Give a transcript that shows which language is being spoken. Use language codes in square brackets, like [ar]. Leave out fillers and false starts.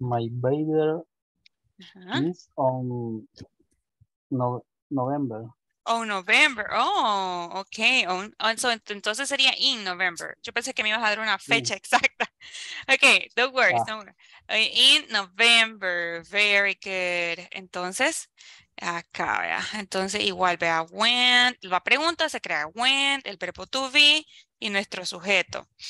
[en] My birthday is on November. Oh, November. Oh, okay. [es] Entonces sería [en] in November. [es] Yo pensé que me ibas a dar una fecha exacta. [en] Okay, don't worry. Yeah. In November. Very good. Entonces, [es] Acá, vea. Entonces, igual vea went, la pregunta se crea went, el verbo to be y nuestro sujeto.